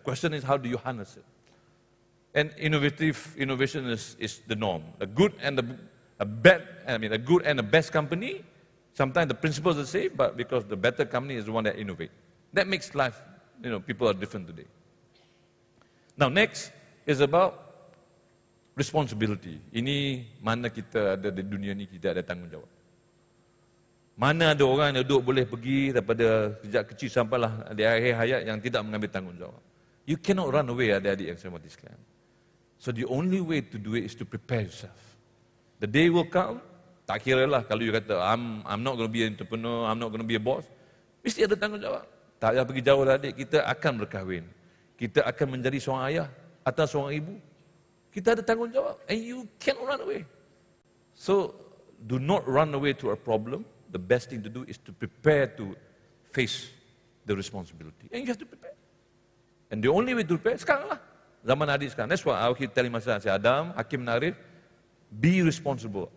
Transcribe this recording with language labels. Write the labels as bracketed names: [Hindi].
[English] Question is how do you harness it? And innovation is the norm. A good and the best company, sometimes the principles are the same, but because the better company is the one that innovate. That makes life, you know, people are different today. Now next is about responsibility. [Malay] Ini mana kita ada di dunia ni, kita ada tanggungjawab. Mana ada orang yang duduk boleh pergi daripada sejak kecil sampailah di akhir hayat yang tidak mengambil tanggungjawab. [English] You cannot run away, [Malay] adik-adik yang saya mahu sekalian. [English] So the only way to do it is to prepare yourself. The day will come, [Malay] tak kira lah kalau you kata, [English] I'm not going to be an entrepreneur, I'm not going to be a boss. [Malay] Mesti ada tanggungjawab. Tak payah pergi jauh lah adik, kita akan berkahwin. Kita akan menjadi seorang ayah atau seorang ibu. Kita ada tanggungjawab [English] and you cannot run away. So, do not run away to a problem. The best thing to do is to prepare to face the responsibility. And you have to prepare. And the only way to prepare, [Malay] sekarang lah. zaman adik sekarang. [English] That's why I keep telling myself, saya Adam, Hakim Narif, be responsible.